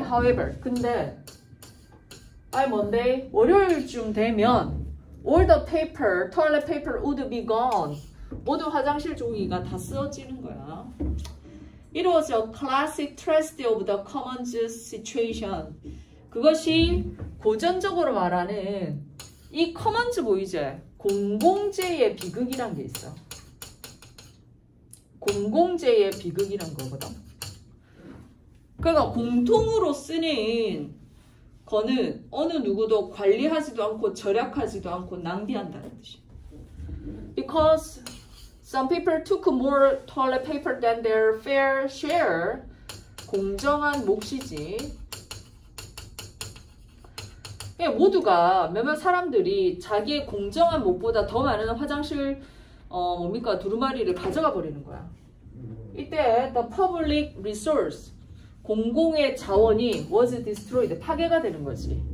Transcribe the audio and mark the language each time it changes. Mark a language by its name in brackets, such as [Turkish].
[English] However, [Korean] 근데 [English] I Monday, [Korean] 월요일쯤 되면 [English] all the paper, toilet paper would be gone. [Korean] 모든 화장실 종이가 다 쓰러지는 거야. [English] It was a classic tragedy of the commons situation. [Korean] 그것이 고전적으로 말하는 이 commons 보이지? 공공재의 비극이란 게 있어. 공공재의 비극이란 거거든. 그러니까 공통으로 쓰는 거는 어느 누구도 관리하지도 않고 절약하지도 않고 낭비한다는 뜻이야. [English] Because some people took more toilet paper than their fair share. [Korean] 공정한 몫이지. 모두가 몇몇 사람들이 자기의 공정한 몫보다 더 많은 화장실 뭡니까 두루마리를 가져가 버리는 거야. 이때 [English] the public resource. [Korean] 공공의 자원이 [English] was destroyed, [Korean] 파괴가 되는 거지.